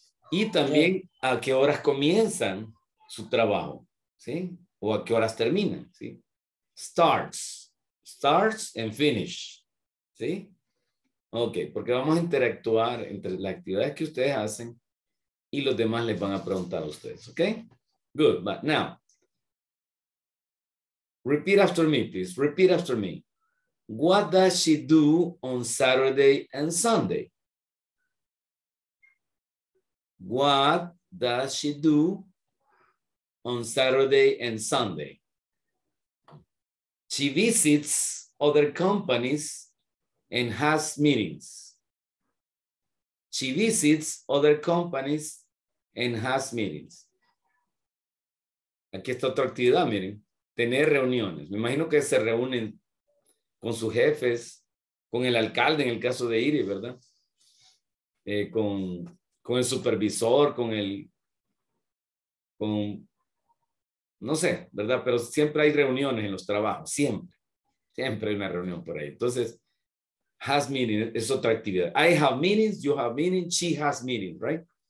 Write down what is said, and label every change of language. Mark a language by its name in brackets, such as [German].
[Spanish] Y también a qué horas comienzan su trabajo, ¿sí? O a qué horas terminan, ¿sí? [English] Starts and finish, [Spanish] ¿sí? Ok, porque vamos a interactuar entre las actividades que ustedes hacen y los demás les van a preguntar a ustedes, ¿ok? [English] Good, but now, repeat after me, please, repeat after me. What does she do on Saturday and Sunday? What does she do on Saturday and Sunday? She visits other companies and has meetings. She visits other companies and has meetings. [Spanish] Aquí está otra actividad, miren. Tener reuniones. Me imagino que se reúnen con sus jefes, con el alcalde en el caso de Iris, ¿verdad? Con el supervisor, con no sé, ¿verdad? Pero siempre hay reuniones en los trabajos, siempre. Siempre hay una reunión por ahí. Entonces, has meeting es otra actividad. [English] I have meetings, you have meetings, she has meetings, right?